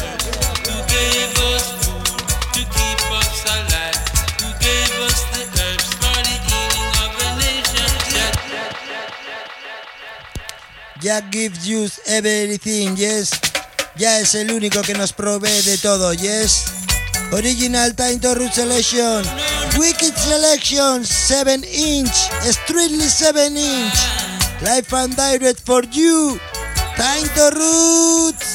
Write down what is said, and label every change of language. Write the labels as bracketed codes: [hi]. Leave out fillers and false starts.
[en] Who gave us food to keep us alive? Who gave us the herbs for the healing of the nation? Jack gives you everything, yes. [es] ya es el único que nos provee de todo, yes. [en] Original Time to Root Selection, Wicked Selection, 7 inch, Strictly 7 inch, Live and Direct for you, Time to Root.